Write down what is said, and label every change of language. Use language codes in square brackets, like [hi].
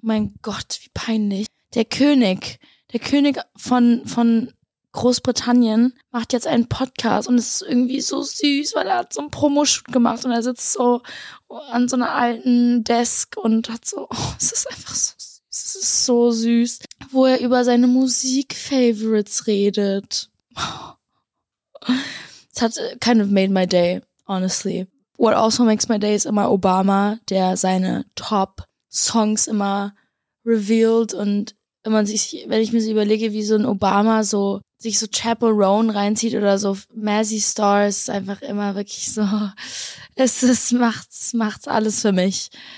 [de] Mein Gott, wie peinlich. Der König von Großbritannien macht jetzt einen Podcast und es ist irgendwie so süß, weil er hat so einen Promoshoot gemacht und er sitzt so an so einer alten Desk und hat so, oh, es ist einfach so süß, es ist so süß, wo er über seine Musik-Favorites redet. Es hat [en] kind of made my day, honestly. What also makes my day is [de] immer Obama, der seine Top-Songs immer revealed und wenn ich mir so überlege, wie so ein Obama so sich so Chapel Roan reinzieht oder so Mazzy Stars, einfach immer wirklich so, es macht alles für mich.